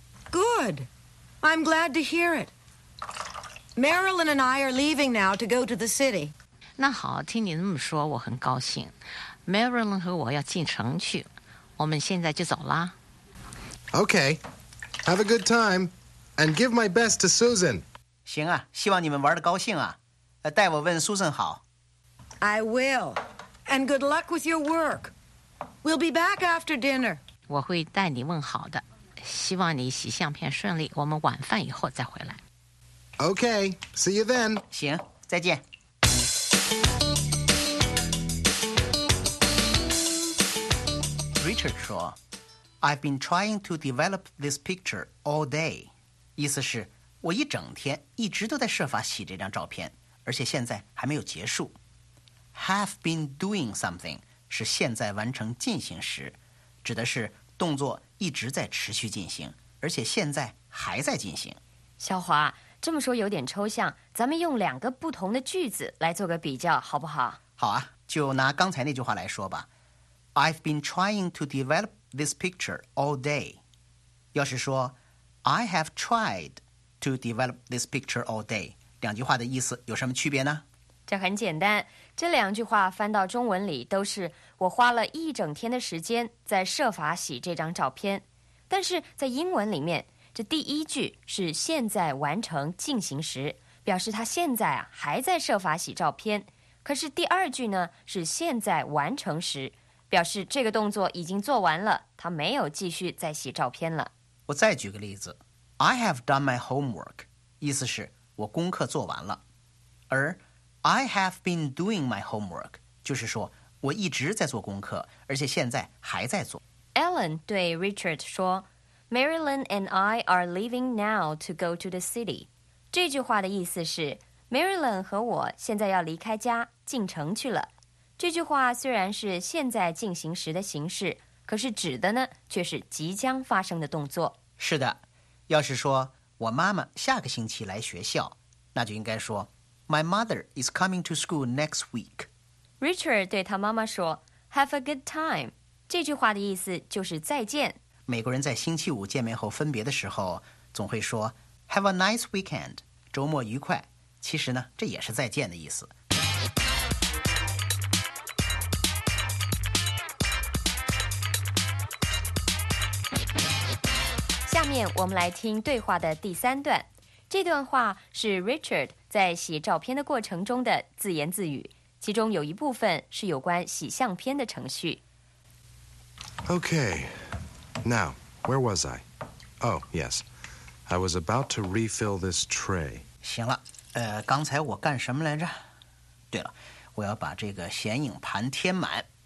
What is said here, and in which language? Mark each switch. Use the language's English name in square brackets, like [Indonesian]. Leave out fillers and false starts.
[English] Good. I'm glad to hear it. Marilyn and I are leaving now to go to the city. [Chinese] 那好，听你这么说，我很高兴。Marilyn 和我要进城去，我们现在就走啦。 [English] Okay. Have a good time. And give my best to Susan. [Chinese] 行啊，希望你们玩得高兴啊。代我问苏珊好。 [English] I will. And good luck with your work. We'll be back after dinner. [Chinese] 我会代你问好的。希望你洗相片顺利，我们晚饭以后再回来。 [English] Okay, see you then. [Chinese] 行，再见。 [English] Richard [Chinese] 说 [English] I've been trying to develop this picture all day. [Chinese] 意思是我一整天一直都在设法洗这张照片。而且现在还没有结束。 [English] Have been doing something [Chinese] 是现在完成进行时，指的是动作一直在持续进行，而且现在还在进行。小华，这么说有点抽象，咱们用两个不同的句子来做个比较，好不好？好啊，就拿刚才那句话来说吧。 [English] I've been trying to develop this picture all day. [Chinese] 要是说 [English] I have tried to develop this picture all day. [Chinese] 两句话的意思有什么区别呢？这很简单，这两句话翻到中文里都是我花了一整天的时间在设法洗这张照片。但是在英文里面，这第一句是现在完成进行时，表示他现在啊还在设法洗照片。可是第二句呢是现在完成时，表示这个动作已经做完了，他没有继续再洗照片了。我再举个例子 ， [English] I have done my homework， [Chinese] 意思是。我功课做完了，而 [English] I have been doing my homework [Chinese] 就是说我一直在做功课，而且现在还在做。 Ellen 对 Richard 说 [English] Marilyn and I are leaving now to go to the city， [Chinese] 这句话的意思是 Marilyn 和我现在要离开家进城去了。这句话虽然是现在进行时的形式，可是指的呢却是即将发生的动作。是的，要是说我妈妈下个星期来学校，那就应该说 [English] My mother is coming to school next week. Richard [Chinese] 对他妈妈说 [English] Have a good time. [Chinese] 这句话的意思就是再见。美国人在星期五见面后分别的时候总会说 [English] Have a nice weekend. [Chinese] 周末愉快。其实呢这也是再见的意思。面我们来听对话的第三段。这段话是 Richard 在洗照片的过程中的自言自语，其中有一部分是有关洗相片的程序。 [English] Okay, now, where was I? Oh, yes. I was about to refill this tray. [Chinese] 行了，刚才我干什么来着？对了，我要把这个显影盘填满。